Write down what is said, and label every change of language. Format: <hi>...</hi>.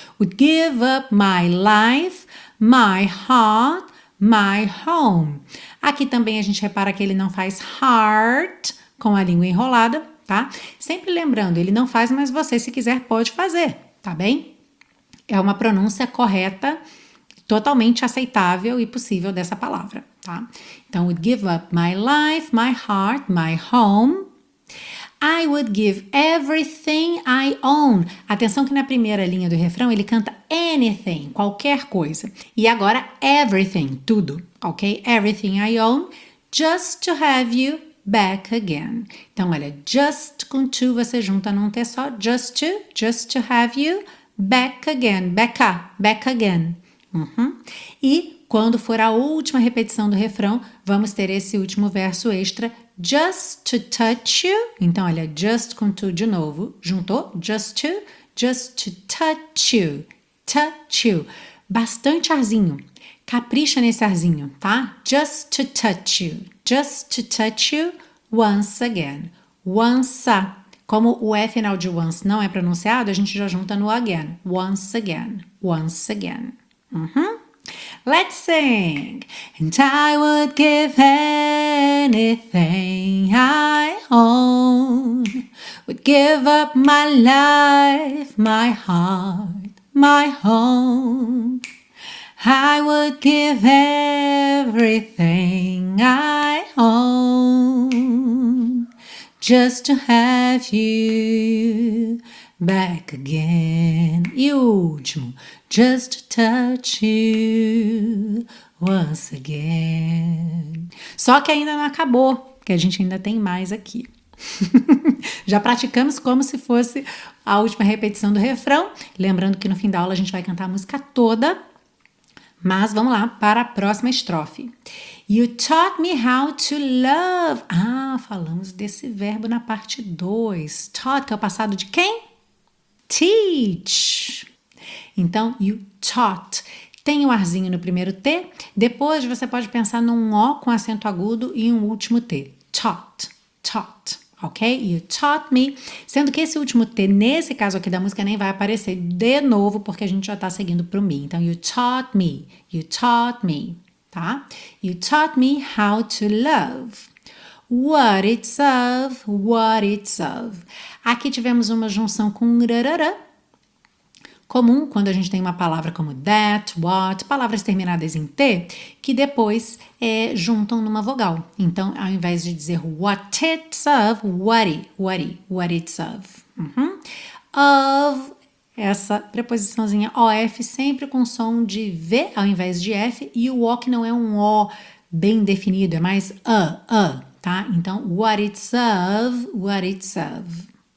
<en>Would give up my life, my heart, my home.</en> <pt>Aqui também a gente repara que ele não faz heart com a língua enrolada, tá? Sempre lembrando, ele não faz, mas você, se quiser, pode fazer, tá bem? É uma pronúncia correta, totalmente aceitável e possível dessa palavra, tá?</pt> <en>Então, would give up my life, my heart, my home. I would give everything I own.</en> <pt>Atenção que na primeira linha do refrão ele canta anything, qualquer coisa. E agora everything, tudo, ok?</pt> <en>Everything I own, just to have you back again.</en> <pt>Então olha, just com to você junta num T só.</pt> <en>Just to have you back again. Back again. Uhum.</en> <pt>E quando for a última repetição do refrão, vamos ter esse último verso extra.</pt> <en>Just to touch you.</en> <pt>Então, olha, just com to de novo. Juntou?</pt> <en>Just to touch you. Touch you.</en> <pt>Bastante arzinho. Capricha nesse arzinho, tá?</pt> <en>Just to touch you. Just to touch you once again. Once,</en> <pt>Como o E final de once não é pronunciado, a gente já junta no again.</pt> <en>Once again. Once again. Let's sing. And I would give anything I own. Would give up my life, my heart, my home. I would give everything I own just to have you back again.</en> <pt>E o último,</pt> <en>just to touch you once again.</en> <pt>Só que ainda não acabou, que a gente ainda tem mais aqui. Já praticamos como se fosse a última repetição do refrão. Lembrando que no fim da aula a gente vai cantar a música toda. Mas vamos lá para a próxima estrofe.</pt> <en>You taught me how to love.</en> <pt>Ah, falamos desse verbo na parte 2. Taught, que é o passado de quem? Teach. Então,</pt> <en>you taught.</en> <pt>Tem um arzinho no primeiro T. Depois você pode pensar num O com acento agudo e um último T.</pt> <en>Taught. Taught. Ok? You taught me.</en> <pt>Sendo que esse último T, nesse caso aqui da música, nem vai aparecer de novo, porque a gente já tá seguindo pro me.</pt> <en>Então, you taught me. You taught me. Tá? You taught me how to love. What it's of. What it's of.</en> <pt>Aqui tivemos uma junção com rarara. Comum quando a gente tem uma palavra como that, what, palavras terminadas em T, que depois juntam numa vogal. Então, ao invés de dizer</pt> <en>what it's of, what it's of.</en> <pt>Of, essa preposiçãozinha OF, sempre com som de V ao invés de F, e o O que não é um O bem definido, é mais a, tá?</pt> <en>Então, what it's of, what it's of.</en>